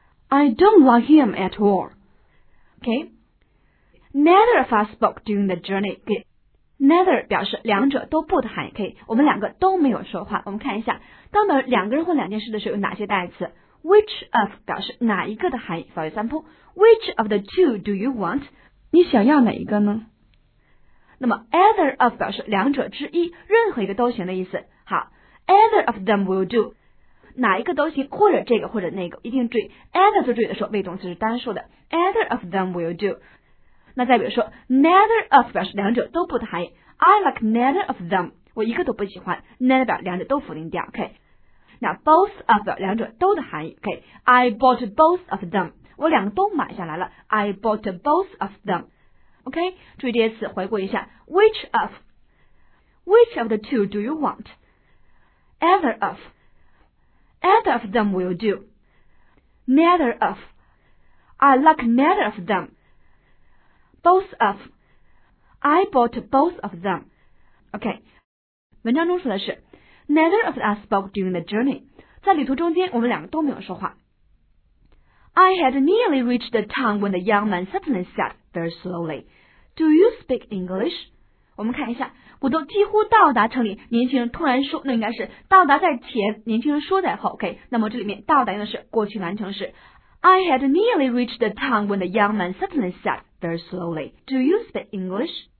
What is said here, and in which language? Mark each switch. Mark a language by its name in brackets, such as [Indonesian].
[English] I don't like him at all. Okay? Neither of us spoke during the journey. Okay? [Chinese] Neither 表示两者都不的含义。Okay? 我们两个都没有说话。我们看一下，当我们两个人或两件事的时候有哪些代词。 Which of 表示哪一个的含义。 [English] For example, which of the two do you want? [Chinese] 你想要哪一个呢？那么 either of 表示两者之一，任何一个都行的意思。好， [English] either of them will do. [Chinese] 哪一个都行，或者这个或者那个，一定注意 either 做注意的时候，谓动词是单数的 either of them will do。那再比如说 neither of 表示两者都不的含义， [English] I like neither of them， [Chinese] 我一个都不喜欢， neither 表两者都否定掉。 [English] OK， 那 both of [Chinese] 表两者都的含义。 [English] OK， I bought both of them， [Chinese] 我两个都买下来了， [English] I bought both of them。 OK， [Chinese] 注意这些词，回顾一下 [English] which of， which of the two do you want， either ofEither of them will do. Neither of. I like neither of them. Both of. I bought both of them. OK. [Chinese] 文章中说的是 [English] Neither of us spoke during the journey. [Chinese] 在旅途中间我们两个都没有说话。 [English] I had nearly reached the town when the young man suddenly said very slowly, Do you speak English? [Chinese] 我们看一下。我都几乎到达城里，年轻人突然说，那应该是到达在前，年轻人说在后。 OK， 那么这里面到达用的是过去完成时。 [English] I had nearly reached the town when the young man suddenly said very slowly, Do you speak English?